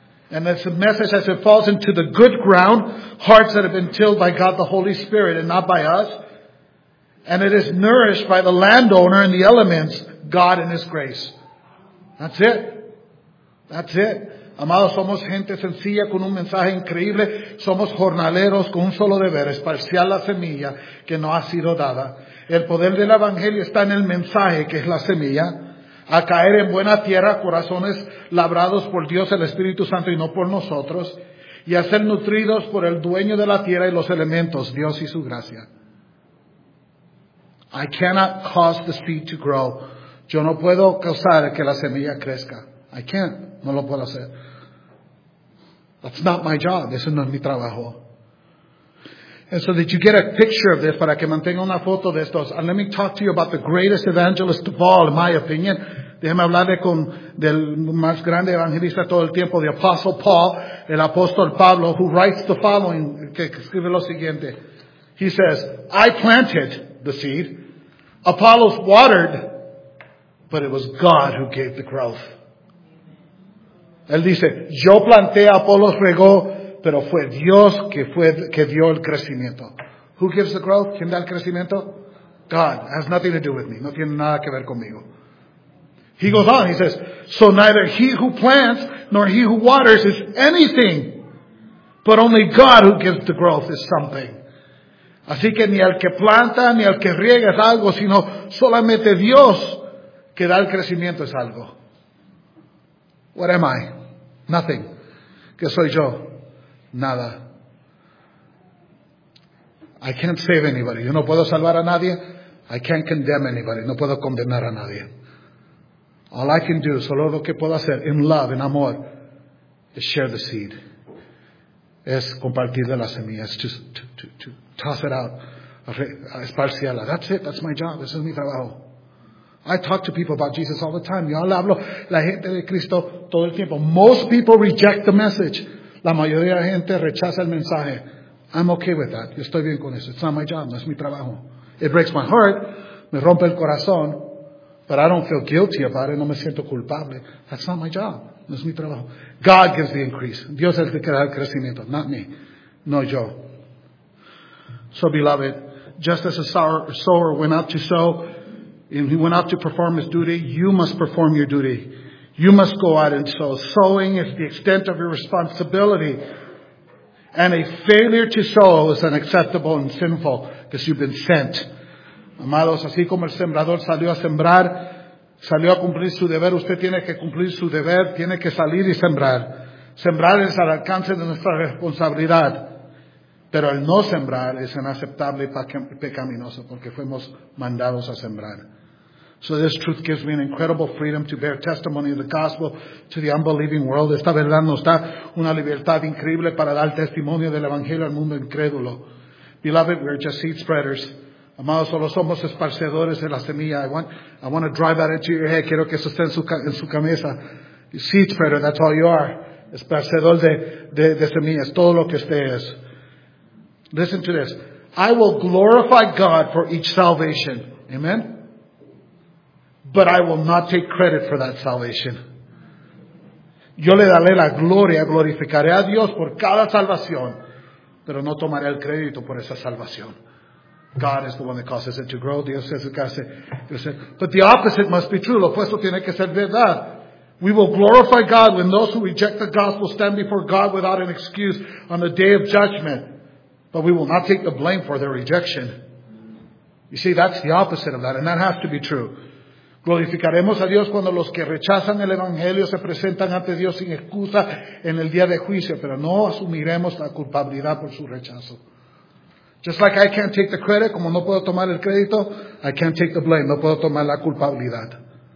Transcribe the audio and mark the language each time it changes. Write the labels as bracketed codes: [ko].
[en] And it's a message as it falls into the good ground, hearts that have been tilled by God the Holy Spirit and not by us. And it is nourished by the landowner and the elements, God and His grace. That's it. That's it. [es] Amados, somos gente sencilla con un mensaje increíble. Somos jornaleros con un solo deber, esparciar la semilla que no ha sido dada. El poder del evangelio está en el mensaje que es la semilla. A caer en buena tierra, corazones labrados por Dios el Espíritu Santo y no por nosotros. Y a ser nutridos por el dueño de la tierra y los elementos, Dios y su gracia. [en] I cannot cause the seed to grow. [es] Yo no puedo causar que la semilla crezca. [en] I can't. [es] No lo puedo hacer. [en] That's not my job. [es] Eso no es mi trabajo. [en] And so that you get a picture of this, [es] para que mantenga una foto de estos. [en] And let me talk to you about the greatest evangelist of all, in my opinion, [es] Déjeme hablarle del más grande evangelista de todo el tiempo, the Apostle Paul, el apóstol Pablo, [en] who writes the following, [es] que escribe lo siguiente. [en] He says, I planted the seed, Apollos watered, but it was God who gave the growth. [es] Él dice, yo planté, Apollos regó, pero fue Dios que dio el crecimiento. [en] Who gives the growth? [es] ¿Quién da el crecimiento? [en] God. Has nothing to do with me. [es] No tiene nada que ver conmigo. [en] He goes on. He says, so neither he who plants nor he who waters is anything, but only God who gives the growth is something. [es] Así que ni el que planta ni el que riega es algo, sino solamente Dios que da el crecimiento es algo. [en] What am I? Nothing. [es] ¿Qué soy yo? Nada. [en] I can't save anybody. [es] Yo no puedo salvar a nadie. [en] I can't condemn anybody. [es] No puedo condenar a nadie. [en] All I can do, [es] solo lo que puedo hacer, [en] in love, in amor, is share the seed. [es] Es compartir de la semilla. [en] It's just to toss it out. [es] Esparciarla. [en] That's it. That's my job. [es] Ese es mi trabajo. [en] I talk to people about Jesus all the time. [es] Yo hablo la gente de Cristo todo el tiempo. [en] Most people reject the message. [es] La mayoría de la gente rechaza el mensaje. [en] I'm okay with that. [es] Yo estoy bien con eso. [en] It's not my job. [es] No es mi trabajo. [en] It breaks my heart. [es] Me rompe el corazón. [en] But I don't feel guilty about it. [es] No me siento culpable. [en] That's not my job. [es] No es mi trabajo. [en] God gives the increase. [es] Dios es el que da el crecimiento. [en] Not me. [es] No yo. [en] So, beloved, just as a sower went out to sow, and he went out to perform his duty, you must perform your duty. You must go out and sow. Sowing is the extent of your responsibility. And a failure to sow is unacceptable and sinful because you've been sent. [es] Amados, así como el sembrador salió a sembrar, salió a cumplir su deber, usted tiene que cumplir su deber, tiene que salir y sembrar. Sembrar es al alcance de nuestra responsabilidad. Pero el no sembrar es inaceptable y pecaminoso porque fuimos mandados a sembrar. [en] So this truth gives me an incredible freedom to bear testimony of the gospel to the unbelieving world. [es] Esta verdad nos da una libertad increíble para dar testimonio del evangelio al mundo incrédulo. [en] Beloved, we are just seed spreaders. [es] Amados, solo somos esparcedores de la semilla. [en] I want to drive that into your head. [es] Quiero que eso esté en su cabeza. [en] Seed spreader, that's all you are. [es] Esparcedor de semillas, todo lo que usted es. [en] Listen to this. I will glorify God for each salvation. Amen? But I will not take credit for that salvation. [es] Yo le daré la gloria, glorificaré a Dios por cada salvación, pero no tomaré el crédito por esa salvación. [en] God is the one that causes it to grow. [es] Dios es el que hace crecer. [en] But the opposite must be true. [es] Lo opuesto tiene que ser verdad. [en] We will glorify God when those who reject the gospel stand before God without an excuse on the day of judgment. But we will not take the blame for their rejection. You see, that's the opposite of that, and that has to be true. [es] Glorificaremos a Dios cuando los que rechazan el Evangelio se presentan ante Dios sin excusa en el día de juicio, pero no asumiremos la culpabilidad por su rechazo. [en] Just like I can't take the credit, [es] como no puedo tomar el crédito, [en] I can't take the blame, [es] no puedo tomar la culpabilidad.